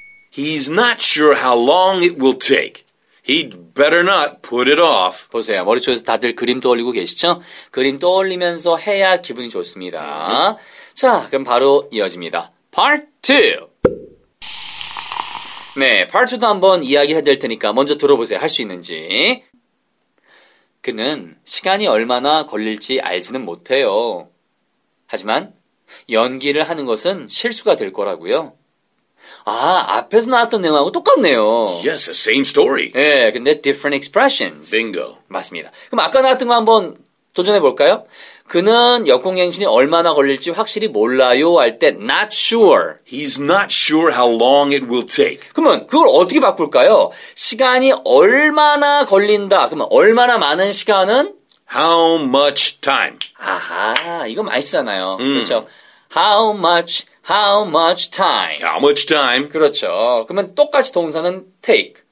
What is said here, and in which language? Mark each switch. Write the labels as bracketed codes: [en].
[en] He's not sure how long it will take. He'd better not put it off. [ko] 보세요. 머릿속에서 다들 그림 떠올리고 계시죠? 그림 떠올리면서 해야 기분이 좋습니다. 자, 그럼 바로 이어집니다. [en] Part 2! [ko] 네, Part 2도 한번 이야기해야 될 테니까 먼저 들어보세요. 할 수 있는지. 그는 시간이 얼마나 걸릴지 알지는 못해요. 하지만 연기를 하는 것은 실수가 될 거라고요. 아, 앞에서 나왔던 내용하고 똑같네요. [en] Yes, the same story. [ko] 예, 네, 근데 [en] different expressions. Bingo. [ko] 맞습니다. 그럼 아까 나왔던 거 한번 도전해 볼까요? 그는 여권갱신이 얼마나 걸릴지 확실히 몰라요 할 때 [en] not sure. He's not sure how long it will take. [ko] 그러면 그걸 어떻게 바꿀까요? 시간이 얼마나 걸린다. 그러면 얼마나 많은 시간은? [en] How much time. [ko] 아하, 이거 많이 쓰잖아요. 그렇죠. [en] How much time. How much time? How much time? [ko] 그렇죠. 그러면 똑같이 동사는 take.